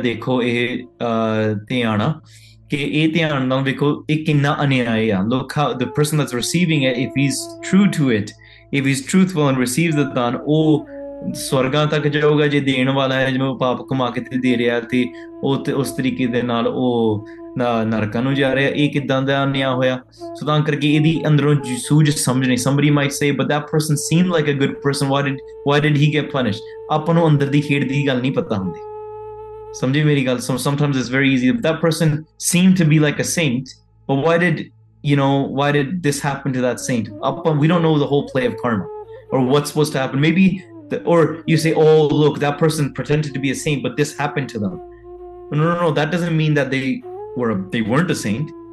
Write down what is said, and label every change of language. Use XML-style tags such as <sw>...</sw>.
<pa>ਦੇਖੋ ਇਹ ਧਿਆਨ ਆ ਕਿ ਇਹ ਧਿਆਨ ਨਾਲ ਵੇਖੋ ਇਹ ਕਿੰਨਾ ਅਨਿਆਇ ਆ, ਲੋਕ</pa> <en>the person that's receiving ਹੈ, if he is true to it, if he is truthful and receives the ਦਾਨ,</en> <pa>ਉਹ ਸਵਰਗਾਂ ਤੱਕ ਜਾਊਗਾ। ਜੇ ਦੇਣ ਵਾਲਾ ਹੈ, ਜਿਵੇਂ ਉਹ ਪਾਪ ਕਮਾ ਕੇ ਦੇ ਰਿਹਾ, ਤੇ ਉਹ ਉਸ ਤਰੀਕੇ ਦੇ ਨਾਲ ਉਹ ਨਰਕਾਂ ਨੂੰ ਜਾ ਰਿਹਾ, ਇਹ ਕਿੱਦਾਂ ਦਾ ਨਿਆ ਹੋਇਆ। ਸੋ ਤਾਂ ਕਰਕੇ ਇਹਦੀ ਅੰਦਰੋਂ ਸੂਝ ਸਮਝਣੀ।</pa> <en>Somebody might say, but that person seemed like a good person, why did he get punished?</en> <pa>ਆਪਾਂ ਨੂੰ ਅੰਦਰ ਦੀ ਖੇਡ ਦੀ ਗੱਲ ਨਹੀਂ ਪਤਾ ਹੁੰਦੀ, ਸਮਝੀ ਮੇਰੀ ਗੱਲ।</pa> <en>Sometimes it's very easy, but that person seemed to be like a saint, but why did this happen to that saint?</en> <pa>ਆਪਾਂ,</pa> <en>we don't know the whole play of karma or what's supposed to happen. Maybe or you say, oh look, that person pretended to be a saint, but this happened to them. No, that doesn't mean that they weren't a saint.</en>